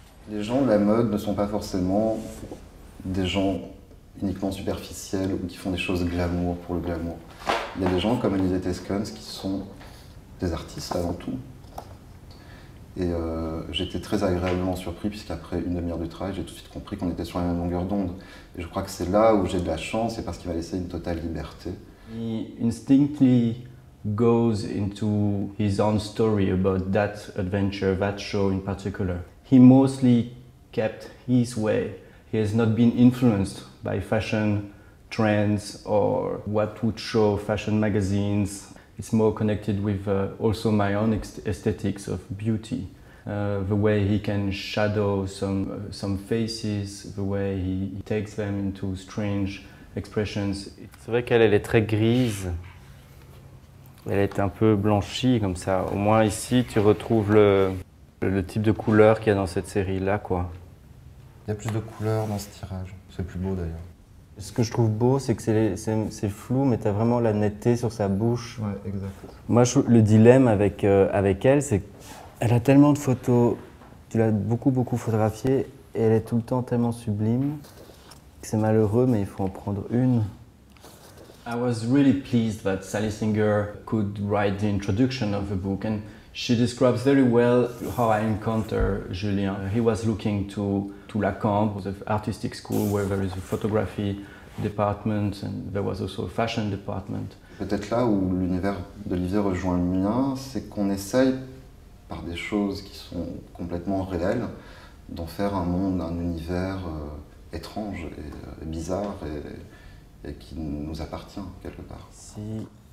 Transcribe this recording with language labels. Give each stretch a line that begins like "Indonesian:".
French: Les gens de la mode ne sont pas forcément des gens uniquement superficiels ou qui font des choses glamour pour le glamour. Il y a des gens comme Olivier Tesquens qui sont des artistes avant tout. Et j'étais très agréablement surpris, puisqu'après une demi-heure de travail, j'ai tout de suite compris qu'on était sur la même longueur d'onde. Et je crois que c'est là où j'ai de la chance, et parce qu'il m'a laissé une totale liberté.
English: He instinctively goes into his own story about that adventure, that show in particular. He mostly kept his way. He has not been influenced by fashion trends or what would show fashion magazines. It's more connected with also my own aesthetics of beauty. The way he can shadow some faces, the way he takes them into strange expressions.
French: C'est vrai qu'elle est très grise. Elle est un peu blanchie comme ça. Au moins ici, tu retrouves le type de couleur qu'il y a dans cette série-là, quoi. Il y a plus de couleurs dans ce tirage. C'est plus beau d'ailleurs. Ce que je trouve beau, c'est que c'est flou, mais tu as vraiment la netteté sur sa bouche. Ouais, exact. Moi, le dilemme avec elle, c'est qu'elle a tellement de photos, tu l'as beaucoup, beaucoup photographiée, et elle est tout le temps tellement sublime, que c'est malheureux, mais il faut en prendre une.
English: I was really pleased that Sally Singer could write the introduction of the book, and she describes very well how I encountered Julien. He was looking to Lacan, the artistic school where there is a photography department and there was also a fashion department.
French: Peut-être là où l'univers d'Olivier rejoint le mien, c'est qu'on essaye, par des choses qui sont complètement réelles, d'en faire un monde, un univers étrange et bizarre et qui nous appartient quelque part. Si.